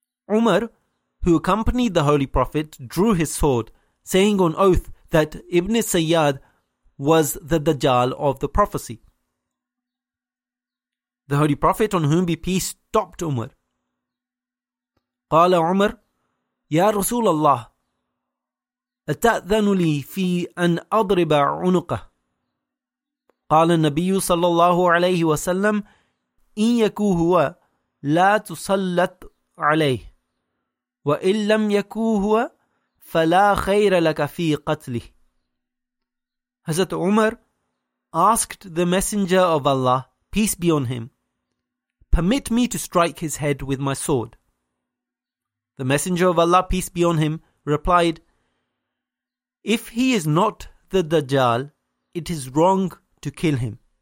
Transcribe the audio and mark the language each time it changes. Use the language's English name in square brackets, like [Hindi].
[English] Umar, who accompanied the Holy Prophet, drew his sword, saying on oath that Ibn Sayyad was the Dajjal of the prophecy. The Holy Prophet, on whom be peace, stopped Umar. [Arabic] قال عمر يا رسول الله أتأذن لي في أن أضرب عنقه؟ قال النبي صلى الله عليه وسلم إن يكو هو لا تسلط عليه وإن لم يكو هو فلا خير لك في قتله. [English] Hazrat Umar asked the Messenger of Allah, peace be on him, permit me to strike his head with my sword. The Messenger of Allah, peace be on him, replied, if he is not the Dajjal, it is wrong to kill him.